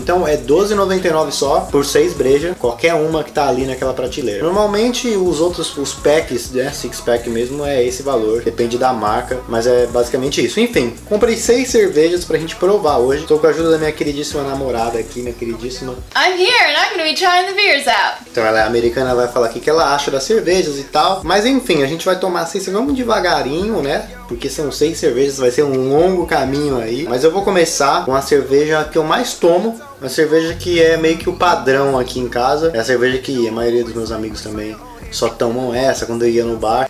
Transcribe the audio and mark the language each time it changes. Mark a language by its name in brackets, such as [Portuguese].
[Portuguese] Então é R$12,99 só, por 6 brejas. Qualquer uma que tá ali naquela prateleira. Normalmente os outros, os packs, né, six pack mesmo, é esse valor. Depende da marca, mas é basicamente isso. Enfim, comprei 6 cervejas pra gente provar hoje. Tô com a ajuda da minha queridíssima namorada aqui, minha queridíssima. [English] I'm here and I'm gonna be trying the beers out. [Portuguese] Então ela é americana, ela vai falar aqui que ela acha das cervejas e tal. Mas enfim, a gente vai tomar 6, vamos devagarinho, né? Porque são 6 cervejas, vai ser um longo caminho aí. Mas eu vou começar com a cerveja que eu mais tomo. Uma cerveja que é meio que o padrão aqui em casa. É a cerveja que a maioria dos meus amigos também só tomam essa quando eu ia no bar.